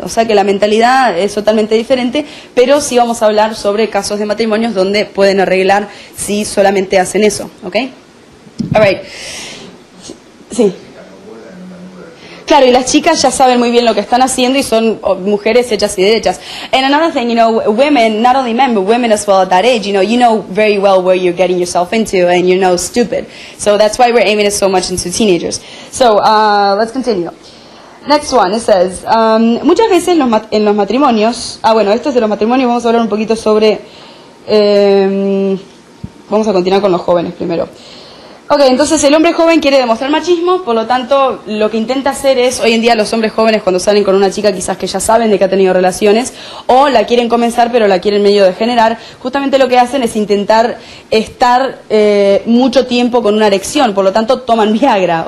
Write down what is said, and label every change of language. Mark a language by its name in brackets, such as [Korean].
[Spanish] O sea que la mentalidad es totalmente diferente, pero sí vamos a hablar sobre casos de matrimonios donde pueden arreglar si solamente hacen eso, ¿ok? [English] All right. [Spanish] Sí. Claro, y las chicas ya saben muy bien lo que están haciendo y son mujeres hechas y derechas. [English] And another thing, you know, women, not only men, but women as well at that age, you know very well where you're getting yourself into and you're no stupid. So that's why we're aiming it so much into teenagers. So let's continue. Next one, it says, [Spanish] muchas veces en los matrimonios, bueno, esto es de los matrimonios, vamos a hablar un poquito sobre, vamos a continuar con los jóvenes primero. Ok, entonces el hombre joven quiere demostrar machismo, por lo tanto lo que intenta hacer es, hoy en día los hombres jóvenes cuando salen con una chica quizás que ya saben de que ha tenido relaciones, o la quieren comenzar pero la quieren medio degenerar, justamente lo que hacen es intentar estar mucho tiempo con una erección, por lo tanto toman Viagra.